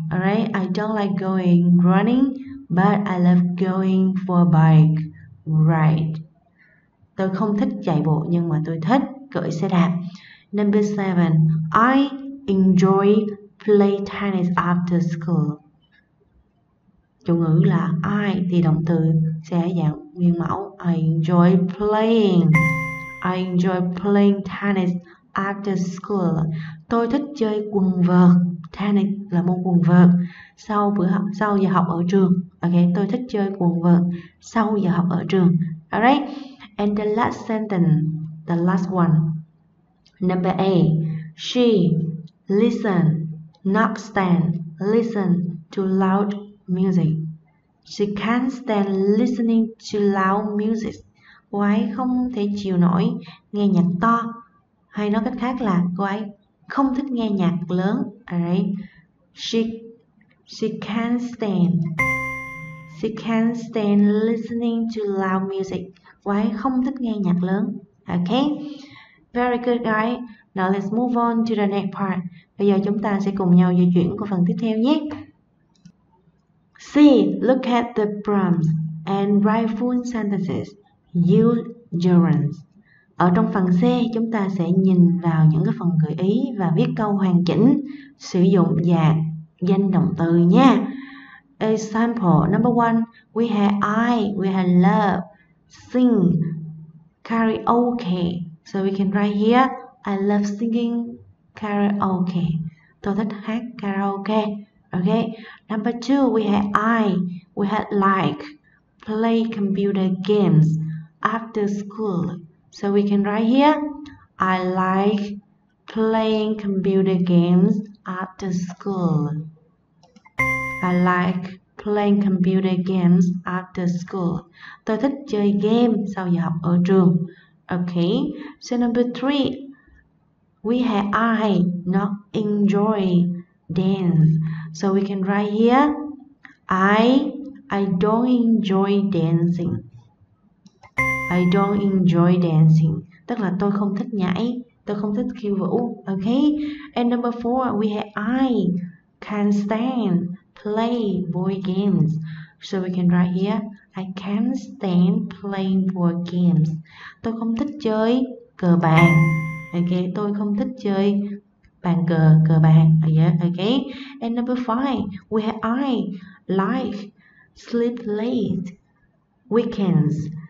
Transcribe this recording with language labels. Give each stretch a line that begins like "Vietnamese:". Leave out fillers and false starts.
English: Alright, I don't like going running, but I love going for a bike ride.
Vietnamese: Tôi không thích chạy bộ nhưng mà tôi thích cưỡi xe đạp.
English: Number 7, I enjoy play tennis after school.
Vietnamese: Chủ ngữ là I thì động từ sẽ dạng nguyên mẫu.
English: I enjoy playing tennis after school.
Vietnamese: Tôi thích chơi quần vợt. Tennis là môn quần vợt sau bữa học, sau giờ học ở trường. Ok, tôi thích chơi quần vợt sau giờ học ở trường.
English: Alright, and the last sentence, the last one, number A, she listen not stand listen to loud music. She can't stand listening to loud music.
Vietnamese: Cô ấy không thể chịu nổi nghe nhạc to, hay nói cách khác là cô ấy không thích nghe nhạc lớn.
English: Alright, she can't stand listening to loud music.
Vietnamese: Cô ấy không thích nghe nhạc lớn.
English: Okay, very good guys. Now let's move on to the next part.
Vietnamese: Bây giờ chúng ta sẽ cùng nhau di chuyển qua phần tiếp theo nhé.
English: C, look at the prompts and write full sentences. Use gerunds.
Vietnamese: Ở trong phần C, chúng ta sẽ nhìn vào những cái phần gợi ý và viết câu hoàn chỉnh sử dụng dạng danh động từ nha.
English: Example number 1, we have I, we have love, sing, karaoke. So we can write here, I love singing karaoke.
Vietnamese: Tôi thích hát karaoke.
English: Okay. Number 2, we have I, we have like, play computer games after school. So we can write here, I like Playing computer games at the school. I like playing computer games at the school.
Vietnamese: Tôi thích chơi game sau giờ học ở trường.
English: Okay, so number three. We have I not enjoy dance. So we can write here, I don't enjoy dancing. I don't enjoy dancing.
Vietnamese: Tức là tôi không thích nhảy, tôi không thích khiêu vũ.
English: Okay. And number four, we have I can't stand play board games. So we can write here, I can't stand playing board games.
Vietnamese: Tôi không thích chơi cờ bàn. Okay, tôi không thích chơi bàn cờ, cờ bàn.
English: Okay. And number five, we have I like sleep late weekends.